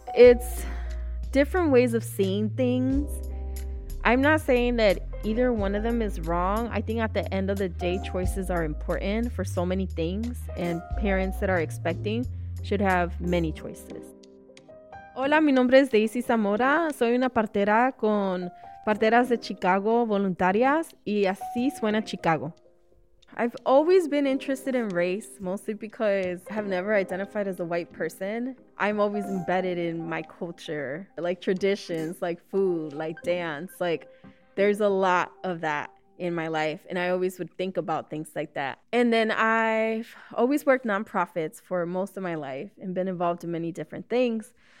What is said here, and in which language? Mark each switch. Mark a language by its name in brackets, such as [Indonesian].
[English] It's different ways of seeing things. I'm not saying that either one of them is wrong. I think at the end of the day, choices are important for so many things, and parents that are expecting should have many choices. [Spanish] Hola, mi nombre es Daisy Zamora. Soy una partera con Parteras de Chicago Voluntarias, y así suena Chicago. [English] I've always been interested in race, mostly because I have never identified as a white person. I'm always embedded in my culture, like traditions, like food, like dance. Like there's a lot of that in my life. And I always would think about things like that. And then I've always worked nonprofits for most of my life and been involved in many different things.